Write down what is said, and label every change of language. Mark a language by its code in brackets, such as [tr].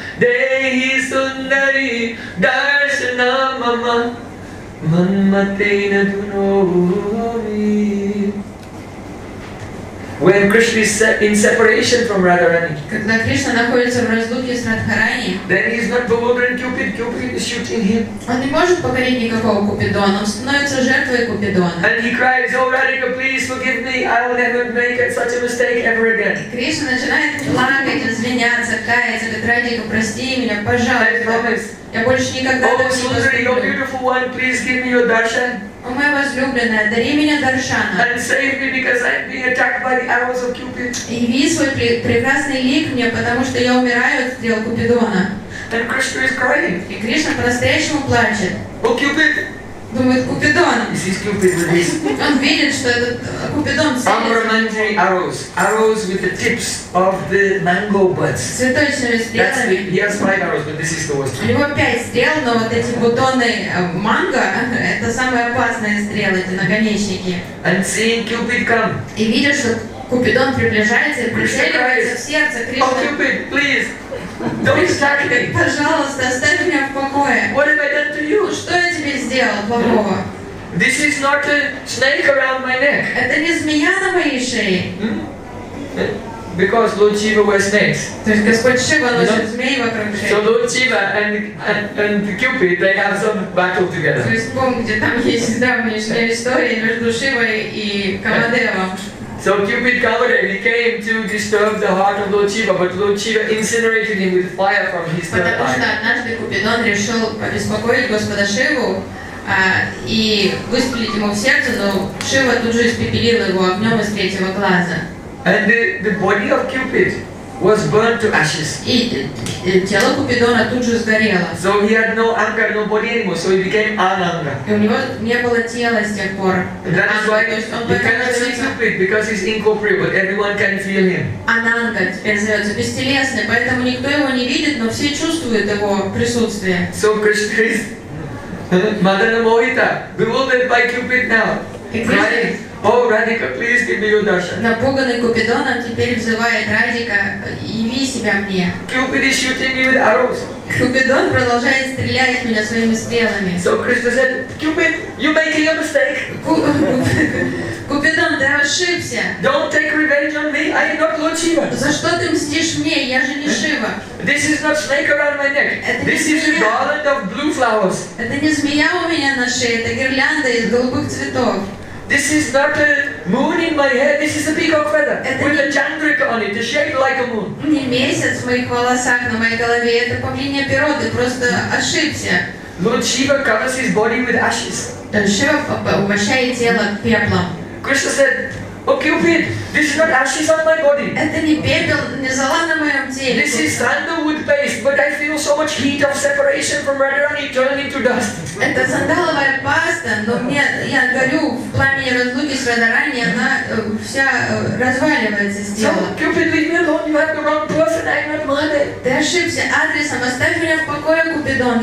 [sa] Dehi sundari darshanam manmateha dunomi. [en] When Krishna is in separation from Radharani, [ru] когда Кришна находится в разлуке с Радхарани, [en] then he is not bewildering Cupid. Cupid is shooting him. [ru] Он не может покорить никакого Купидона. Он становится жертвой Купидона. [en] And he cries, "Oh, Radhika, please forgive me. I will never make such a mistake ever again." [ru] Кришна начинает плакать, извиняться, каяться, говорит, Радхика, прости меня, пожалуйста. Я больше никогда не поступлю. [en] Oh, Sundari, your beautiful one, please give me your darshan. [ru] О, моя возлюбленная, дари меня даршана. [en] And save me because I'm being attacked by the arrows of Cupid. [ru] И яви свой прекрасный лик мне, потому что я умираю от стрел Купидона. [en] And Krishna is crying. [ru] И Кришна по-настоящему плачет. [en] Oh, Cupid. [ru] Думает, Купидон. [en] Is this Cupid with this? [ru] Он видит, что этот Купидон целится. [en] Amaranthi arrows. Arrows with the tips of the mango buds. [ru] Цветочными стрелами. [en] He has five arrows, but this is the worst. [ru] У него пять стрел, но вот эти бутоны манго, это самые опасные стрелы, эти наконечники. [en] And seeing Cupid come. [ru] И видишь, что Купидон приближается и прицеливается в сердце Кришны. [en] Oh, Cupid, please. Don't attack me. [ru] Пожалуйста, оставь меня в покое. [en] What have I done to you? [ru] Что я тебе сделал плохого? [en] This is not a snake around my neck. [ru] Это не змея на моей шее. [en] Because Lord Shiva wears snakes. [ru] То есть Господь Шива носит змеи вокруг шеи. [en] So Lord Shiva and Cupid, they have some battle together. [ru] То есть помните, там есть давняя история между Шивой и Камадевом. [en] So Cupid Kamadev, he came to disturb the heart of Lord Shiva, but Lord Shiva incinerated him with fire from his third eye. [ru] Потому что однажды Купидон решил побеспокоить Господа Шиву и выстрелить ему в сердце, но Шива тут же испепелил его огнем из третьего глаза. [en] And the body of Cupid was burnt to ashes. [ru] И тело Купидона тут же сгорело. [en] So he had no anger, no body anymore, so he became Ananga. [ru] И у него не было тела с тех пор. [en] That's why you cannot see Cupid, because he's incorporeal, everyone can feel him. [ru] Ананга теперь зовется бестелесный, поэтому никто его не видит, но все чувствуют его присутствие. [en] So Krishna is Madana Mohita, bewildered by Cupid now. Oh, Radhika, please give me your darshan. [ru] Напуганный Купидоном теперь взывает Радхика, яви себя мне. [en] Cupid is shooting me with arrows. [ru] Купидон продолжает стрелять меня своими стрелами. [en] So Krishna said, Cupid, you're making a mistake. [ru] Купидон, ты ошибся. [en] Don't take revenge on me. I am not Lord Shiva. [ru] За что ты мстишь мне? Я же не Шива. [en] This is not snake around my neck. This is a garland of blue flowers. [ru] Это не змея у меня на шее, это гирлянда из голубых цветов. [en] This is not a moon in my head. This is a peacock feather with a chandrika on it, shaped like a moon. [ru] Не месяц в моих волосах на моей голове. Это павлинья перо. Ты просто ошибся. [en] Lord Shiva covers his body with ashes. [ru] Шива умощает тело пеплом. [en] Krishna said, Oh Cupid, this is not ashes on my body. [ru] Это не пепел, не зола на моем теле. [en] This is sandalwood paste, but I feel so much heat of separation from Radharani turning into dust. [ru] Это сандаловая паста, но мне я горю в пламени разлуки с Радхарани, она вся разваливается с тела. [en] So Cupid, leave me alone. You have the wrong person. I'm not Mahadev. [ru] Ты ошибся адресом. Оставь меня в покое, Купидон.